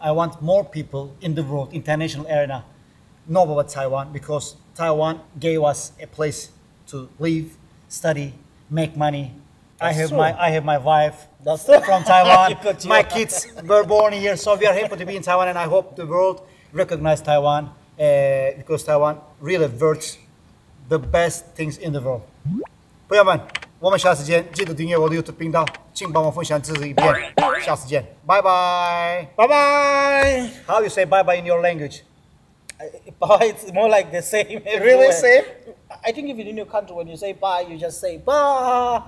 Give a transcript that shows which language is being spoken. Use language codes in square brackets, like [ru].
[en] I want more people in the world, international arena, know about Taiwan, because Taiwan gave us a place to live, study, make money. I have my wife that's from Taiwan. My kids were born here, so we are happy to be in Taiwan, and I hope the world recognize Taiwan, because Taiwan really works the best things in the world. [zh] 我们下次见，记得订阅我的 YouTube 频道，请帮我分享支持一遍。下次见，拜拜，拜拜。 [en] How you say bye bye in your language? Bye, it's more like the same. Really same? I think even in your country, when you say bye, you just say bye.